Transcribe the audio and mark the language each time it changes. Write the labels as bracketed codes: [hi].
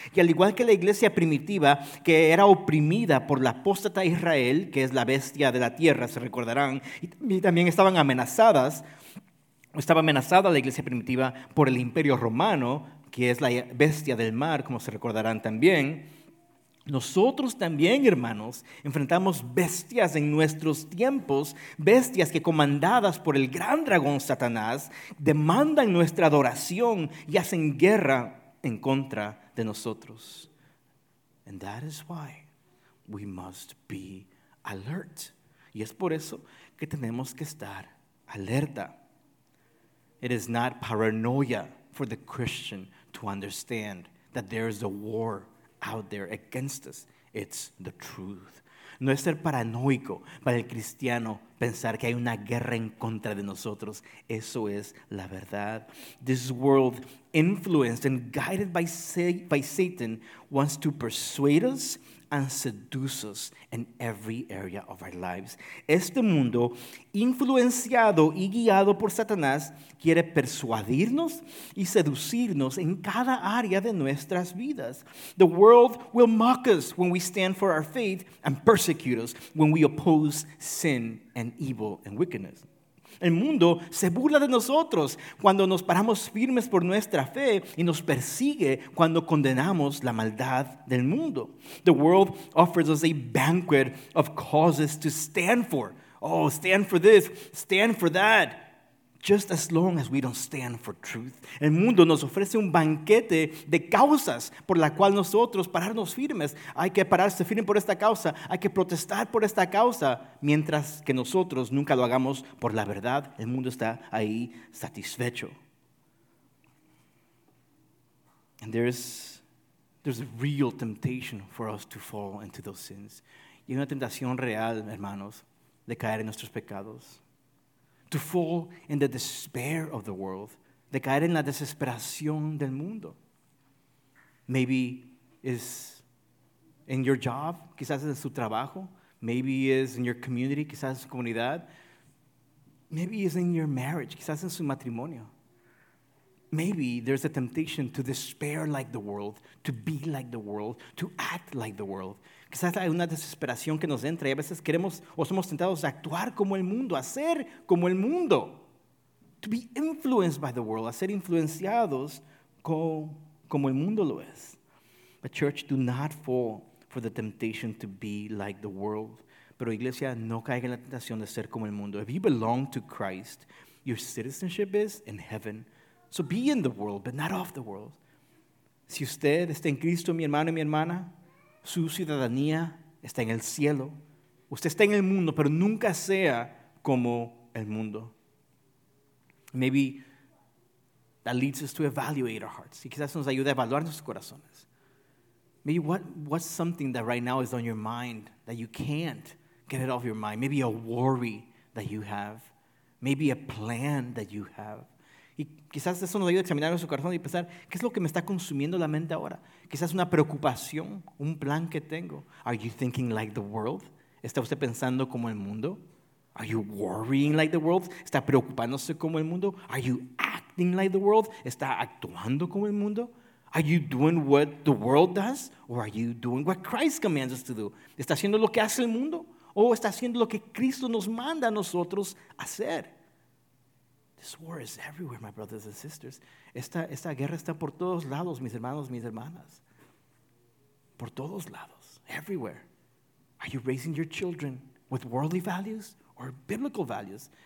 [es] Y al igual que la iglesia primitiva, que era oprimida por la apóstata Israel, que es la bestia de la tierra, se recordarán, y también estaban amenazadas, estaba amenazada la iglesia primitiva por el imperio romano, que es la bestia del mar, como se recordarán también. Nosotros también, hermanos, enfrentamos bestias en nuestros tiempos, bestias que comandadas por el gran dragón Satanás demandan nuestra adoración y hacen guerra en contra de nosotros. [en] And that is why we must be alert. [es] Y es por eso que tenemos que estar alerta. [en] It is not paranoia for the Christian to understand that there is a war out there against us. It's the truth. [es] No es ser paranoico para el cristiano pensar que hay una guerra en contra de nosotros. Eso es la verdad. [en] This world, influenced and guided by Satan, wants to persuade us and seduce us in every area of our lives. [es] Este mundo, influenciado y guiado por Satanás, quiere persuadirnos y seducirnos en cada área de nuestras vidas. [en] The world will mock us when we stand for our faith and persecute us when we oppose sin and evil and wickedness. [es] El mundo se burla de nosotros cuando nos paramos firmes por nuestra fe y nos persigue cuando condenamos la maldad del mundo. [en] The world offers us a banquet of causes to stand for. Oh, stand for this, stand for that. just as long as we don't stand for truth. [es] El mundo nos ofrece un banquete de causas por la cual nosotros pararnos firmes. Hay que pararse firme por esta causa. Hay que protestar por esta causa. Mientras que nosotros nunca lo hagamos por la verdad, el mundo está ahí satisfecho. [en] And there's a real temptation for us to fall into those sins. [es] Y hay una tentación real, hermanos, de caer en nuestros pecados. [en] To fall in the despair of the world. [es] De caer en la desesperación del mundo. [en] Maybe it's in your job, [es] quizás en su trabajo. [en] Maybe it's in your community, [es] quizás en su comunidad. [en] Maybe it's in your marriage, [es] quizás en su matrimonio. [en] Maybe there's a temptation to despair like the world, to be like the world, to act like the world. [es] Quizás hay una desesperación que nos entra y a veces queremos o somos tentados a actuar como el mundo, a ser como el mundo. [en] To be influenced by the world, [es] a ser influenciados como el mundo lo es. [en] But church, do not fall for the temptation to be like the world. [es] Pero iglesia, no caiga en la tentación de ser como el mundo. [en] If you belong to Christ, your citizenship is in heaven. So be in the world, but not of the world. [es] Si usted está en Cristo, mi hermano y mi hermana, su ciudadanía está en el cielo. Usted está en el mundo, pero nunca sea como el mundo. [en] Maybe that leads us to evaluate our hearts. [es] Y quizás nos ayude a evaluar nuestros corazones. [en] Maybe what's something that right now is on your mind that you can't get it off your mind? Maybe a worry that you have. Maybe a plan that you have. [es] Y quizás eso nos ayuda a examinar nuestro corazón y pensar, ¿qué es lo que me está consumiendo la mente ahora? Quizás una preocupación, un plan que tengo. [en] Are you thinking like the world? [es] ¿Está usted pensando como el mundo? [en] Are you worrying like the world? [es] ¿Está preocupándose como el mundo? [en] Are you acting like the world? [es] ¿Está actuando como el mundo? [en] Are you doing what the world does? Or are you doing what Christ commands us to do? [es] ¿Está haciendo lo que hace el mundo? ¿O está haciendo lo que Cristo nos manda a nosotros hacer? [en] This war is everywhere, my brothers and sisters. [es] Esta guerra está por todos lados, mis hermanos, mis hermanas. Por todos lados, [en] everywhere. Are you raising your children with worldly values or biblical values?